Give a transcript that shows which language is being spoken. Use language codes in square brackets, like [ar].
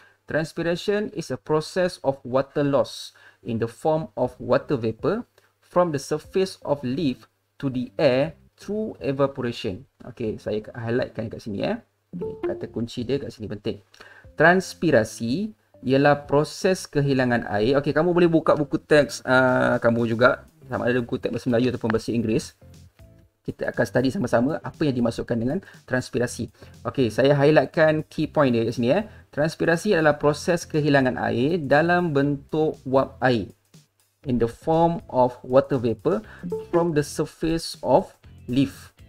[en] Transpiration is a process of water loss in the form of water vapor from the surface of leaf to the air through evaporation. [ms] Okay, saya highlightkan kat sini. Kata kunci dia kat sini penting. Transpirasi ialah proses kehilangan air. Okay, kamu boleh buka buku teks kamu juga. Sama ada buku teks bahasa Melayu ataupun bahasa Inggeris. Kita akan study sama-sama apa yang dimasukkan dengan transpirasi. Okey, saya highlightkan key point dia kat sini. Transpirasi adalah proses kehilangan air dalam bentuk wap air. [en] In the form of water vapor from the surface of leaf.